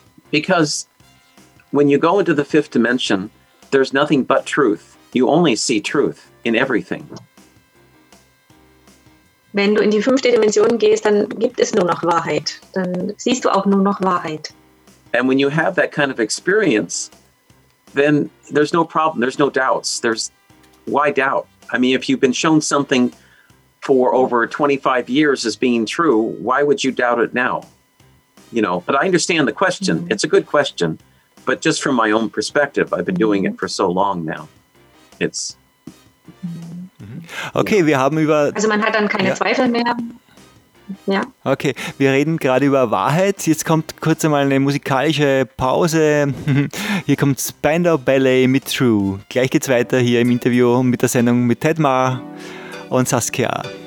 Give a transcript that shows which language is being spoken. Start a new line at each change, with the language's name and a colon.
English: Because when you go into the fifth dimension, there's nothing but truth. You only see truth in everything.
German: wenn du in die fünfte Dimension gehst, dann gibt es nur noch Wahrheit. Dann siehst du auch nur noch Wahrheit.
English: And when you have that kind of experience, then there's no problem, there's no doubts. There's, why doubt? I mean, if you've been shown something for over 25 years as being true, why would you doubt it now? You know, but I understand the question. Mm-hmm. It's a good question. But just from my own perspective, I've been doing it for so long now. It's
German: okay, wir haben über... Also man hat dann keine Zweifel mehr. Ja. Okay, wir reden gerade über Wahrheit. Jetzt kommt kurz einmal eine musikalische Pause. Hier kommt Spandau Ballet mit True. Gleich geht's weiter hier im Interview mit der Sendung mit Ted Mar und Saskia.